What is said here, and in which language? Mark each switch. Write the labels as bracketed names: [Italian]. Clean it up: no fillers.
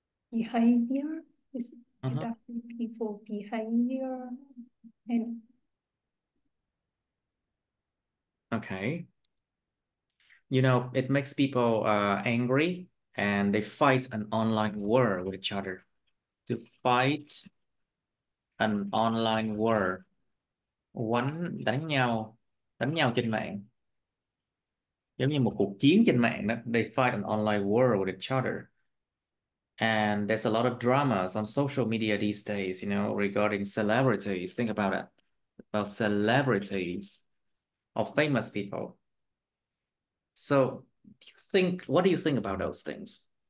[English] Behavior is definitely people behavior and Okay. You know, it makes people angry and they fight an online war with each other. To fight an online war. [Vietnamese] Quánh, đánh nhau trên mạng. Giống như một cuộc chiến trên mạng đó. [English] They fight an online war with each other. And there's a lot of dramas on social media these days, you know, regarding celebrities. Think about it. About celebrities or famous people. So, do you think, what do you think about those things?